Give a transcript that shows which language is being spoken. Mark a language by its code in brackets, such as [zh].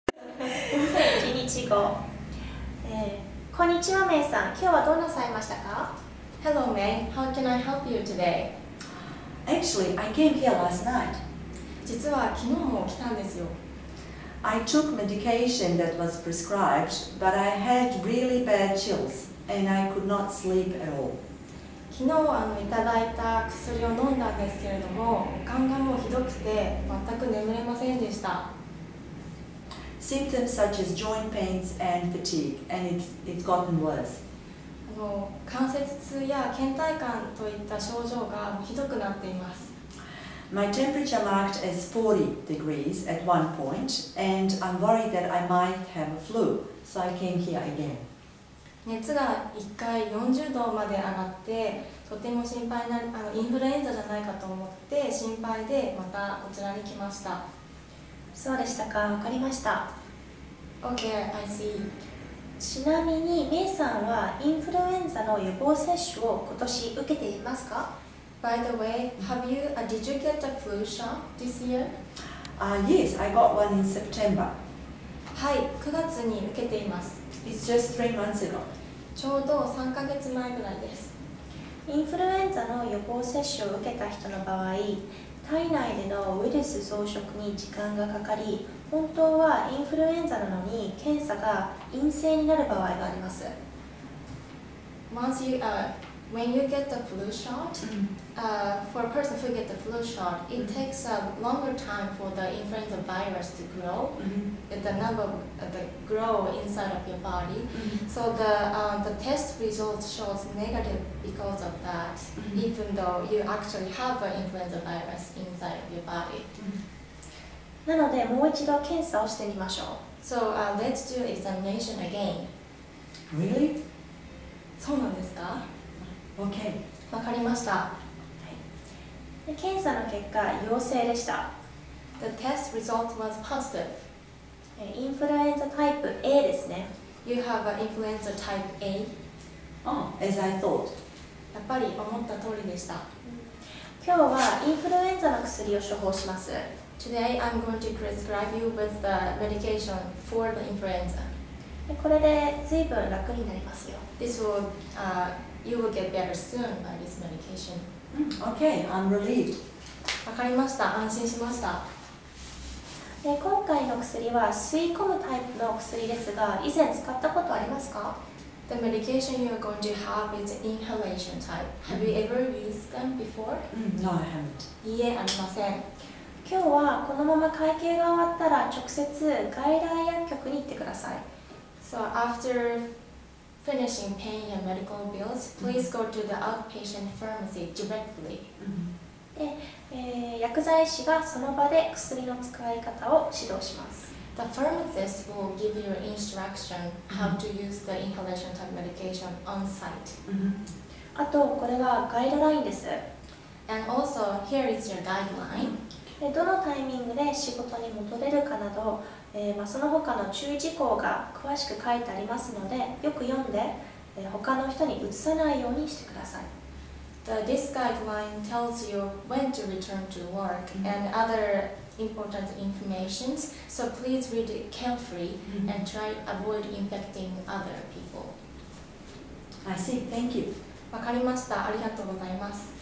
[ja] 1号、こんにちは、メイさん。今日はどうなさいましたか？ [en] Hello, May. How can I help you today? Actually, I came here last night. [ja] 実は昨日も来たんですよ。 [en] I took medication that was prescribed, but I had really bad chills, and I could not sleep at all. [ja] 昨日はいただいた薬を飲んだんですけれども、眼がもうひどくて全く眠れませんでした。 [en] Symptoms such as joint pains and fatigue, and it's gotten worse. [ja] 関節痛や倦怠感といった症状がひどくなっています。 [en] My temperature marked as 40 degrees at one point, and I'm worried that I might have a flu, so I came here again. [ja] 熱が一回40度まで上がって、とても心配な、インフルエンザじゃないかと思って心配でまたこちらに来ました。そうでしたか、わかりました。 [en] OK, I see. [ja] ちなみに、メイさんはインフルエンザの予防接種を今年受けていますか？ [en] By the way, did you get a flu shot this year? Yes, I got one in September. [ja] はい、9月に受けています。 [en] It's just 3 months ago. [ja] ちょうど3ヶ月前ぐらいです。インフルエンザの予防接種を受けた人の場合、体内でのウイルス増殖に時間がかかり、本当はインフルエンザなのに検査が陰性になる場合があります。 [en] Once you, when you get the flu shot, for a person who gets the flu shot, it takes a longer time for the influenza virus to grow, the number that grow inside of your body. So the test result shows negative because of that, even though you actually have an influenza virus inside of your body. [ja] なのでもう一度検査をしてみましょう。 [en] So let's do examination again. Really? [ja] そうなんですか？ [en] Okay. [ja] 分かりました。で、検査の結果、陽性でした。 [en] The test result was positive. [ja] インフルエンザタイプ A ですね。 [en] You have an influenza type A? Oh, as I thought. [ja] やっぱり思った通りでした。今日はインフルエンザの薬を処方します。 [en] Today I'm going to prescribe you with the medication for the influenza. [ja] で、これで随分楽になりますよ。 [en] This will, you will get better soon by this medication. Okay, I'm relieved. [ja] 分かりました。安心しました。で、今回の薬は吸い込むタイプの薬ですが、以前使ったことありますか？ [en] The medication you're going to have is inhalation type. Have you ever used them before? No, I haven't. [ja] いえ、ありません。今日はこのまま会計が終わったら直接外来薬局に行ってください。 [en] So after finishing paying your medical bills, please go to the outpatient pharmacy directly. [ja] で、薬剤師がその場で薬の使い方を指導します。 [en] The pharmacist will give you instruction how to use the inhalation type medication on site. [ja] あと、これはガイドラインです。 [en] And also, here is your guideline. [ja] で、どのタイミングで仕事に戻れるかなど、その他の注意事項が詳しく書いてありますので、よく読んで、他の人に移さないようにしてください。 [en] This guideline tells you when to return to work and other important information, so please read it carefully and try to avoid infecting other people. I see, thank you. [ja] わかりました。ありがとうございます。